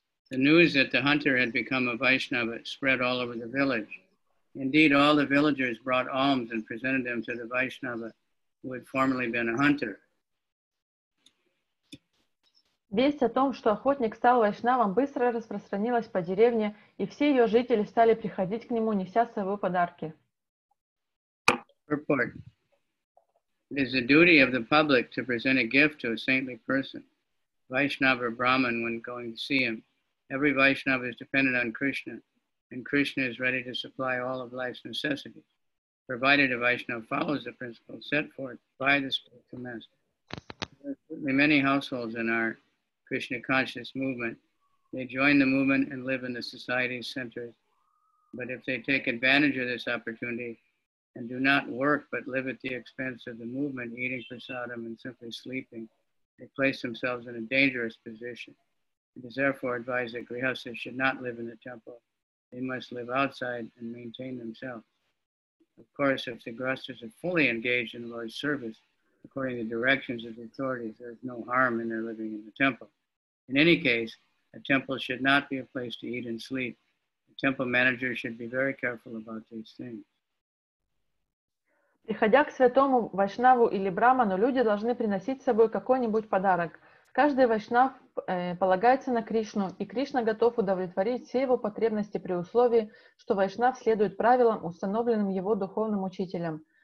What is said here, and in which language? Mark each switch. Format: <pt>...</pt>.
<en>The news that the hunter had become a Vaishnava spread all over the village. Indeed, all the villagers brought alms and presented them to the Vaishnava who had formerly been a hunter.</en> <ru>Весть о том, что охотник стал вайшнавом, быстро распространилась по деревне, и все ее жители стали приходить к нему, неся с собой подарки.</ru> <en>Report. It is the duty of the public to present a gift to a saintly person, Vaishnava or Brahman, when going to see him. Every Vaishnava is dependent on Krishna, and Krishna is ready to supply all of life's necessities, provided a Vaishnava follows the principles set forth by the spiritual master. There are certainly many households in our Krishna conscious movement. They join the movement and live in the society's centers. But if they take advantage of this opportunity and do not work but live at the expense of the movement, eating prasadam and simply sleeping, they place themselves in a dangerous position. It is therefore advised that grihasthas should not live in the temple. They must live outside and maintain themselves. Of course, if the grihasthas are fully engaged in the Lord's service, according to the directions of the authorities, there is no harm in their living in the temple. In any case, a temple should not be a place to eat and sleep. The temple manager should be very careful about these things.</en> <ru>Приходя к святому вайшнаву или браману, люди должны приносить с собой какой-нибудь подарок. Каждый вайшнав полагается на Кришну, и Кришна готов удовлетворить все его потребности при условии, что вайшнав следует правилам, установленным его духовным учителем.</ru>